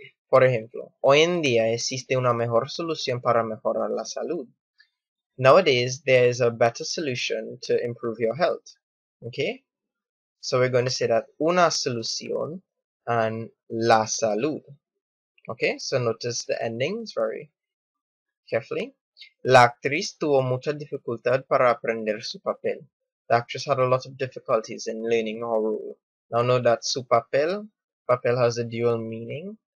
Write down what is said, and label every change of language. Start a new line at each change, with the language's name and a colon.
Spanish: Por ejemplo, hoy en día existe una mejor solución para mejorar la salud.
English: Nowadays, there is a better solution to improve your health. Okay? So we're going to say that una solución and la salud. Okay, so notice the endings very carefully.
Spanish: La actriz tuvo mucha dificultad para aprender su papel.
English: The actress had a lot of difficulties in learning her role. Now know that su papel, papel has a dual meaning.